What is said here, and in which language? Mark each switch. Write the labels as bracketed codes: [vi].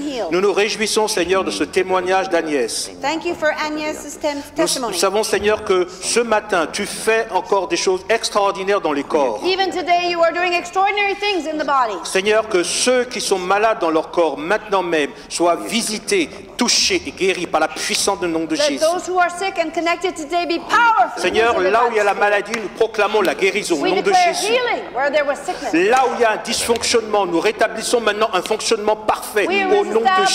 [fr] Nous nous réjouissons, Seigneur, de ce témoignage d'Agnès. [en] Thank you for Agnès's testimony. [fr] Nous savons, Seigneur, que ce matin, tu fais encore des choses extraordinaires dans les corps. [en] Even today, you are doing extraordinary things in the body. [fr] Seigneur, que ceux qui sont malades dans leur corps, maintenant même, soient visités, touchés et guéris par la puissance du nom de Jésus. [en] Let those who are sick and connected today be powerful. [fr] Seigneur, là où il y a la maladie, nous proclamons la guérison au nom de Jésus. [en] Healing where there was sickness. [fr] Là où il y a un dysfonctionnement, nous rétablissons maintenant un fonctionnement parfait au nom de